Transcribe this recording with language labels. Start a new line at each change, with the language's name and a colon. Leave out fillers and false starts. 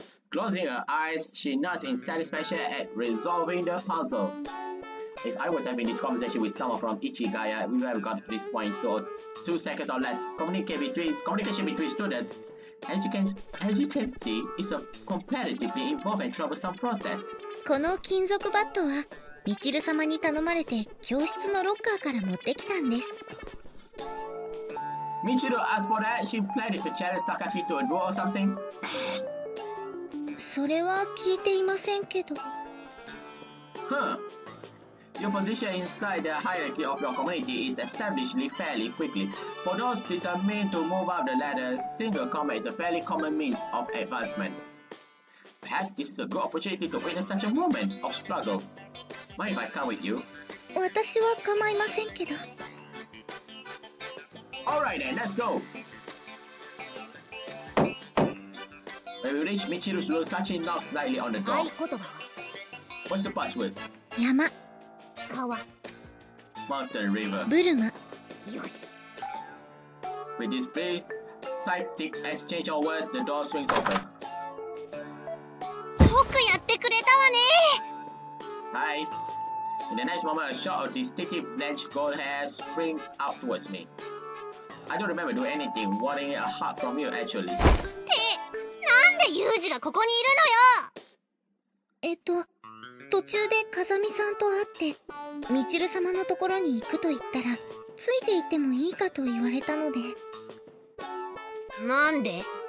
English: Closing her eyes, she nods in satisfaction at resolving the puzzle. If I was having this conversation with someone from Ichigaya, we would have got to this point for 2 seconds or less. Communication between students, as you can see, it's a competitively involved and troublesome process.
Japanese: この金属バットはミチル様に頼まれて教室のロッカーから持ってきたんです。
English: ミチル asked for that. She planned to challenge Sakaki to a duel or something.
Japanese: それは聞いていませんけど。
English: Your position inside the hierarchy of your community is established fairly quickly. For those determined to move up the ladder, single combat is a fairly common means of advancement. Perhaps this is a good opportunity to witness such a moment of struggle. Mind if I come with you?
Japanese: 私は構いませんけど。
English: Alright then, let's go! When we reach Michiru's room, Sachi knocks lightly on the door. What's the password? Yama. Mountain River. Burma. With this big psychic exchange of words, the door swings open.
Japanese: Hoku yatte kureta wa ne!
English: Hi. In the next moment, a shot of distinctive blanched gold hair springs out towards me. I don't remember doing anything, wanting a hug from you actually.
Japanese: なんでユージがここにいるのよ。途中で風見さんと会ってミチル様のところに行くと言ったらついて行ってもいいかと言われたので。なんで。